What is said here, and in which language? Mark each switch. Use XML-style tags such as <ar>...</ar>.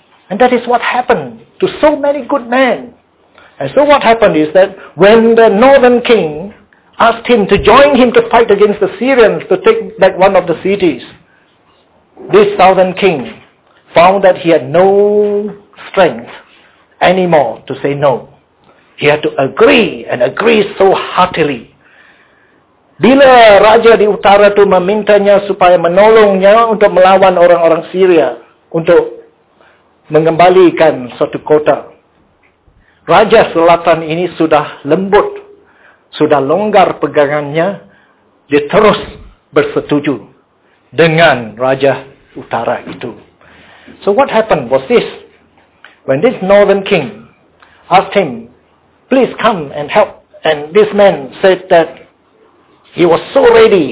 <en>And that is what happened to so many good men. And so what happened is that when the northern king asked him to join him to fight against the Syrians to take back one of the cities, this southern king found that he had no strength anymore to say no. He had to agree, and agree so heartily.</en> <ms>Bila raja di utara itu memintanya supaya menolongnya untuk melawan orang-orang Syria untuk mengembalikan suatu kota. Raja selatan ini sudah lembut, sudah longgar pegangannya, dia terus bersetuju dengan raja utara itu.</ms> <en>So what happened was this. When this northern king asked him, please come and help, and this man said that he was so ready.</en>